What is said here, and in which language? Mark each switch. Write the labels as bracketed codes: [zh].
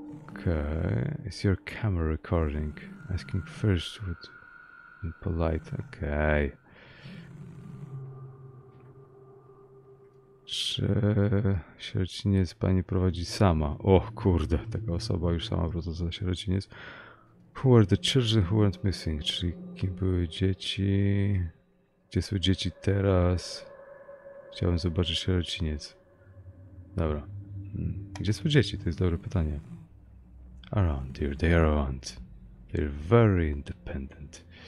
[en] Okay, is your camera recording? Asking first would be polite. Okay. [pl] Czy sierociniec pani prowadzi sama? Och, kurde, taka osoba już sama prowadzi za sierociniec. [en] Who are the children who weren't missing? [pl] Czyli kim były dzieci? Gdzie są dzieci teraz? Chciałem zobaczyć sierociniec. Dobra. Gdzie są dzieci? To jest dobre pytanie. [en] Around here, they are around. They're very independent.